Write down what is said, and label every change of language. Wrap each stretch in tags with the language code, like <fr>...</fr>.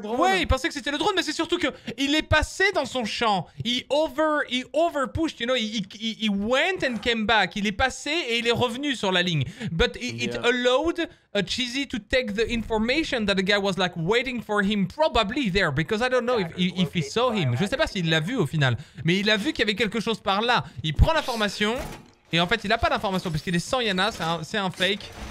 <fr>Ouais, il pensait que c'était le drone, mais c'est surtout que il est passé dans son champ.</fr> <en>He over pushed, you know. He went and came back.</en> <fr>Il est passé et il est revenu sur la ligne.</fr> <en>But it allowed a Cheezzy to take the information that the guy was like waiting for him, probably there, because I don't know if he saw him.</en> <fr>Je sais pas s'il l'a vu au final, mais il a vu qu'il y avait quelque chose par là. Il prend l'information. Et en fait, il a pas d'information parce qu'il est sans Yana, c'est un fake.</fr>